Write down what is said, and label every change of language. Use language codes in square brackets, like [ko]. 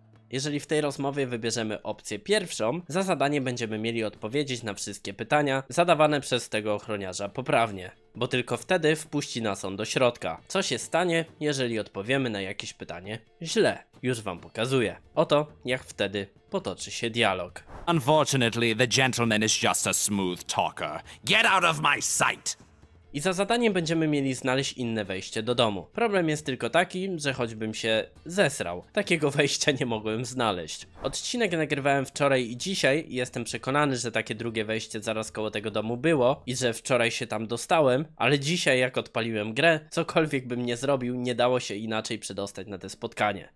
[pl] Jeżeli w tej rozmowie wybierzemy opcję pierwszą, za zadanie będziemy mieli odpowiedzieć na wszystkie pytania zadawane przez tego ochroniarza poprawnie, bo tylko wtedy wpuści nas on do środka. Co się stanie, jeżeli odpowiemy na jakieś pytanie źle? Już wam pokazuję. Oto jak wtedy potoczy się dialog. [en] Unfortunately, the gentleman is just a smooth talker. Get out of my sight! [pl] I za zadaniem będziemy mieli znaleźć inne wejście do domu. Problem jest tylko taki, że choćbym się zesrał, takiego wejścia nie mogłem znaleźć. Odcinek nagrywałem wczoraj i dzisiaj i jestem przekonany, że takie drugie wejście zaraz koło tego domu było i że wczoraj się tam dostałem, ale dzisiaj jak odpaliłem grę, cokolwiek bym nie zrobił, nie dało się inaczej przedostać na to spotkanie.